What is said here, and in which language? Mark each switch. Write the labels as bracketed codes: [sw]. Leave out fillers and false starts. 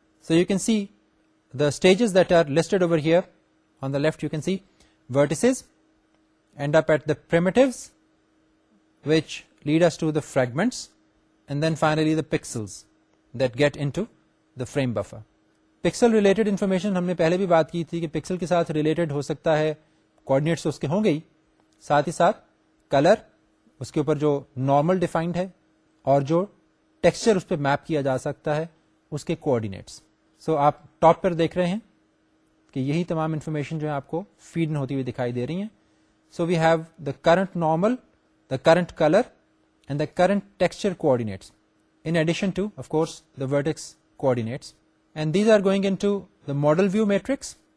[en] So you can see the stages that are listed over here. On the left you can see vertices end up at the primitives, which lead us to the fragments, and then finally the pixels that get into the frame buffer. [ur] Pixel related information ہم نے پہلے بھی بات کی تھی کہ pixel کے ساتھ ریلیٹڈ ہو سکتا ہے کوآرڈینیٹس اس کے ہوں گئی, ساتھ ہی ساتھ کلر اس کے اوپر جو نارمل ڈیفائنڈ ہے اور جو ٹیکسچر اس پہ میپ کیا جا سکتا ہے اس کے کوآرڈینیٹس. سو آپ ٹاپ پر دیکھ رہے ہیں کہ یہی تمام انفارمیشن جو ہے آپ کو فیڈ ان ہوتی ہوئی دکھائی دے رہی ہیں. [en] So we have the current normal, the current colour and the current texture coordinates in addition to of course the vertex coordinates. And these are going into the model view matrix.